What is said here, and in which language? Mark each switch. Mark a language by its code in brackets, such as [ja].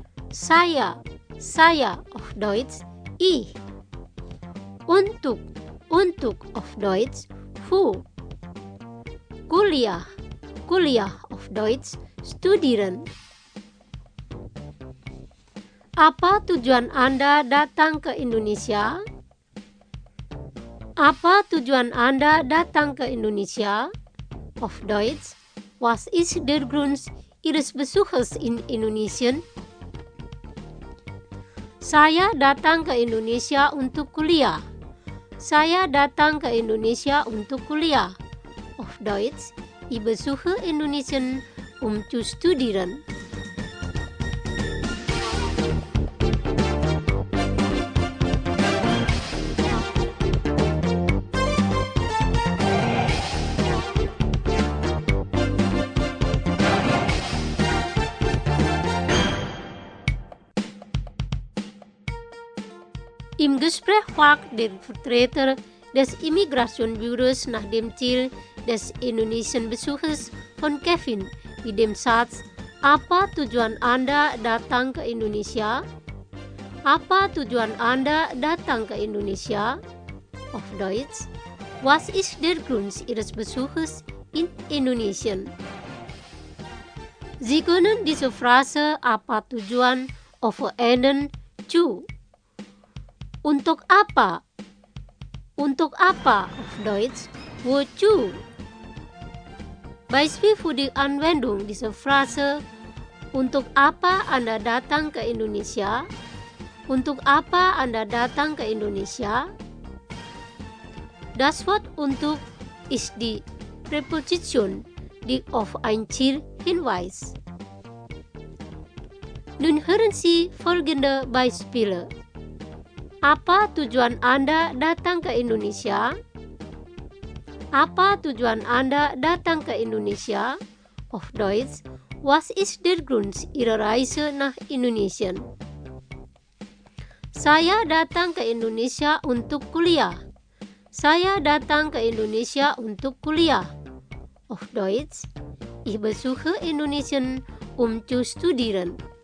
[de] Saya, saya auf Deutsch, ich. Untuk, untuk auf Deutsch, für. Kuliah, kuliah auf Deutsch, studieren. [id] Apa tujuan Anda datang ke Indonesia? Apa tujuan Anda datang ke Indonesia? [de] Auf Deutsch, was ist der Grund Ihres Besuches in Indonesia? [id] Saya datang ke Indonesia untuk kuliah. Saya datang ke Indonesia untuk kuliah. [de] Auf Deutsch, ich besuche Indonesia zu studieren. Im Gespräch fragt der Vertreter des Immigrationsbüros nach dem Ziel des indonesischen Besuches von Kevin mit dem Satz: [id] Apa tujuan Anda datang ke Indonesia? Apa tujuan Anda datang ke Indonesia? [de] Auf Deutsch: Was ist der Grund Ihres Besuches in Indonesia? Sie können diese Phrase Apa tujuan overenden zu untuk apa auf Deutsch, wozu. Beispiel für die Anwendung dieser Phrase, [id] Untuk apa Anda datang ke Indonesia? Untuk apa Anda datang ke Indonesia? [de] Das Wort untuk ist die Präposition, die auf ein Ziel hinweist. Nun hören Sie folgende Beispiele. [id] Apa tujuan Anda datang ke Indonesia? Apa tujuan Anda datang ke Indonesia? [de] Auf Deutsch, was ist der Grund Ihrer Reise nach Indonesien? [id] Saya datang ke Indonesia untuk kuliah. Saya datang ke Indonesia untuk kuliah. [de] Auf Deutsch, ich besuche Indonesien zu studieren.